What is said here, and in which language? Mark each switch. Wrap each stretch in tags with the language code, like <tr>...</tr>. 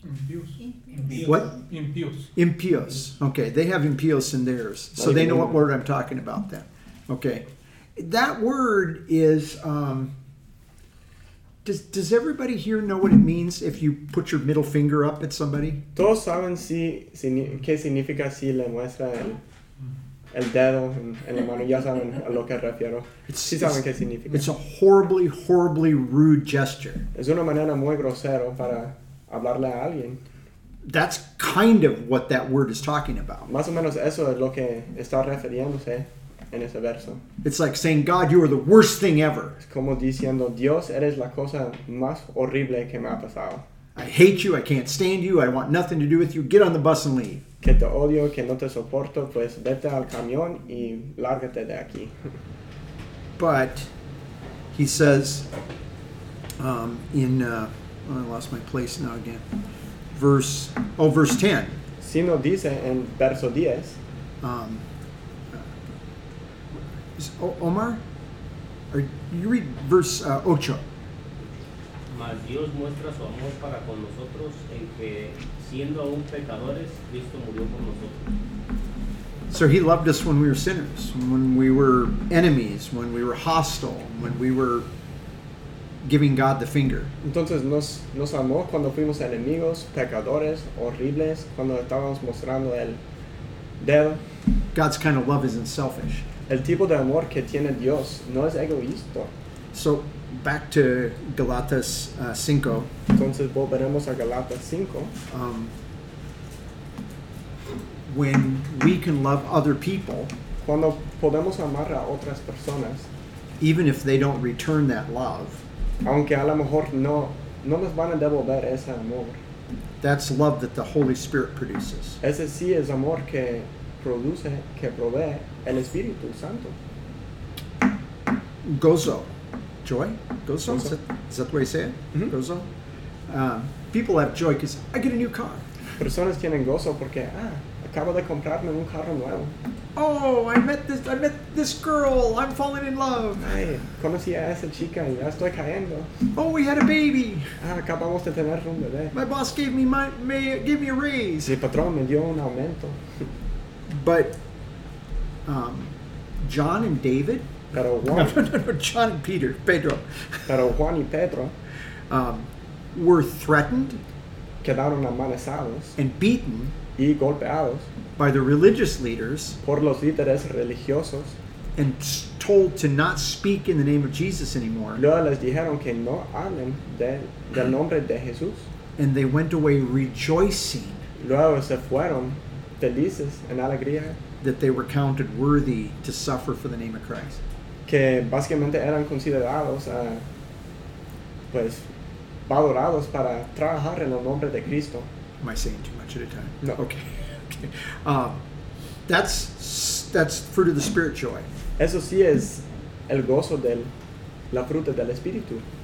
<en>Impious. What? Impious. Impious. Okay, they have impious in theirs, so they know what word I'm talking about. Then, okay, that word is. Does everybody here know what it means if you put your middle finger up at somebody?</en> <es>Todos saben qué significa si le muestra el dedo en la mano. Ya saben a lo que refiero. Sí saben qué significa.</es> <en>It's a horribly, horribly rude gesture.</en> <es>Es una manera muy grosera para hablarle a alguien.</es> <en>That's kind of what that word is talking about.</en> <es>Más o menos eso es lo que está refiriéndose. En ese verso.</es> <en>It's like saying, God, you are the worst thing ever.</en> <es>Es como diciendo, Dios, eres la cosa más horrible que me ha pasado.</es> <en>I hate you, I can't stand you, I want nothing to do with you, get on the bus and leave.</en> <es>Que te odio, que no te soporto, pues vete al camión y lárgate de aquí.</es> <en>But, he says, I lost my place now again. Verse 10.</en> <es>Sino dice en verso 10.</es> <en>Omar, you read verse 8.</en> <es>Mas Dios muestra su amor para con nosotros en que, siendo aún pecadores, Cristo murió por nosotros.</es> <en>So he loved us when we were sinners, when we were enemies, when we were hostile, when we were giving God the finger.</en> <es>Entonces nos amó cuando fuimos enemigos, pecadores, horribles, cuando estábamos mostrando el dedo.</es> <en>God's kind of love isn't selfish.</en> <es>El tipo de amor que tiene Dios no es egoísta.</es> <en>So back to Galatas 5.</en> <es>Entonces volveremos a Galatas 5.</es> <en>When we can love other people,</en> <es>cuando podemos amar a otras personas,</es> <en>even if they don't return that love,</en> <es>aunque a lo mejor no nos van a devolver ese amor,</es> <en>that's love that the Holy Spirit produces.</en> <es>Ese sí es amor que produce, que provee el Espíritu Santo.</es> <en>Gozo. Joy? Gozo? Is that the way you say it? Mm-hmm.</en> <es>Gozo?</es> <en>People have joy because I get a new car.</en> <es>Personas tienen gozo porque, acabo de comprarme un carro nuevo.</es> <en>Oh, I met this girl. I'm falling in love.</en> <es>Ay, conocí a esa chica y ya estoy cayendo.</es> <en>Oh, we had a baby.</en> <es>Acabamos de tener un bebé.</es> <en>My boss gave me a raise.</en> <es>Mi patrón me dio un aumento.</es> <en>But John and David.</en> <es>Pero Juan.</es> <en>No, John and Peter. Pedro.</en> <es>Pero Juan y Pedro.</es> <en>Were threatened.</en> <es>Quedaron amenazados.</es> <en>And beaten.</en> <es>Y golpeados</es> <en>by the religious leaders,</en> <es>por los líderes religiosos,</es> <en>and told to not speak in the name of Jesus anymore.</en> <es>Luego les dijeron que no hablen del nombre de Jesús.</es> <en>And they went away rejoicing.</en> <es>Luego se fueron felices en alegría.</es> <en>That they were counted worthy to suffer for the name of Christ.</en> <es>Que básicamente eran considerados, pues, valorados para trabajar en el nombre de Cristo.</es> <en>Am I saying too much at a time? No. Okay. That's fruit of the Spirit joy.</en> <es>Eso sí es el gozo del la fruta del Espíritu.</es>